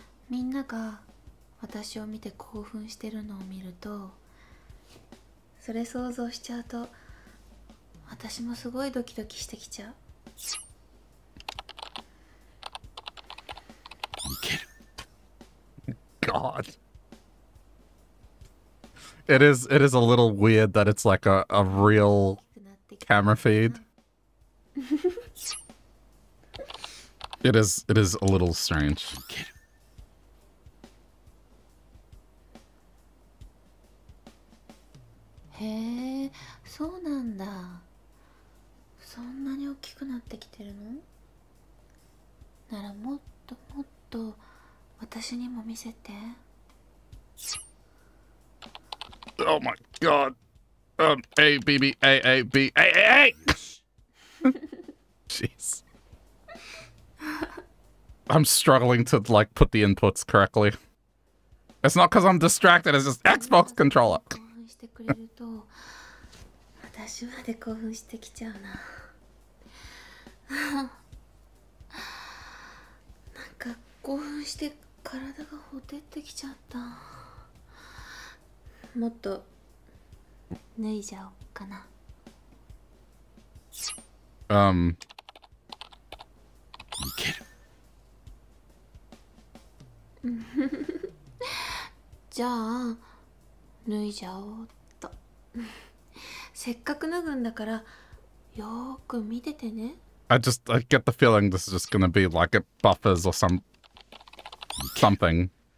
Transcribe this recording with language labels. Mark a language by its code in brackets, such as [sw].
[ja] みんなが私を見て興奮してるのを見るとそれ想像しちゃうと私もすごいドキドキしてきちゃういける [en] God It is a little weird that it's like a real camera feed It is a little strange [ja] いけるへえ、そうなんだ。そんなに大きくなってきてるの？ならもっともっと私にも見せて。 [en] Oh my god! A, B, B, A, A, B, A, A, A! Jeez. I'm struggling to, like, put the inputs correctly. It's not because I'm distracted, it's just Xbox controller! [ja] してくれると私まで興奮してきちゃうな。なんか興奮して体がほてってきちゃった。もっと脱いじゃおっかな。いける。じゃあ脱いじゃおう。せっかく脱ぐんだからよーく見ててね。 [en] I get the feeling this is just gonna be like it buffers or something.